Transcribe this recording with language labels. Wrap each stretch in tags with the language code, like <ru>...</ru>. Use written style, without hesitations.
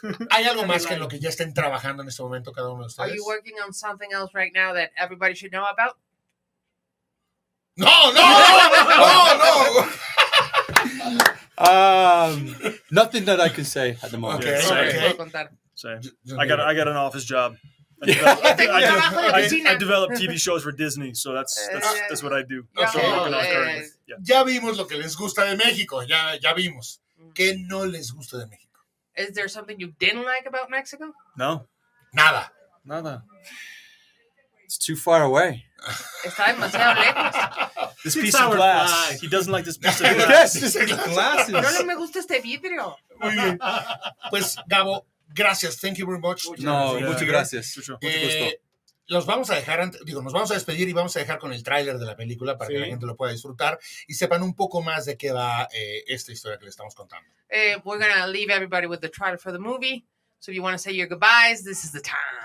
<es>Hay algo más que en lo que ya estén trabajando en este momento cada uno de ustedes.</es> <en>Are you working on something else right now that everybody should know about? No. Nothing that I can say at the moment. Okay. I got an office job. I develop TV shows for Disney, so that's what I do. That's what I'm working on currently. Yeah.</en> <es>Ya vimos lo que les gusta de México. Ya vimos qué no les gusta de México.</es> <en>Is there something you didn't like about Mexico? No.</en> <es>Nada. Nada.</es> <en>It's too far away.</en> <es>Está demasiado lejos.</es> <en>This piece of glass. He doesn't like this piece of glass. Yes, it's glasses.</en> <es>No me gusta este vidrio. Muy bien. Pues, Gabo, gracias.</es> <en>Thank you very much.</en> <es>Muchas gracias. Los vamos a dejar, nos vamos a despedir y vamos a dejar con el tráiler de la película para que la gente lo pueda disfrutar y sepan un poco más de qué va esta historia que le estamos contando.</es> <en>We're going to leave everybody with the trailer for the movie. So if you want to say your goodbyes, this is the time.</en>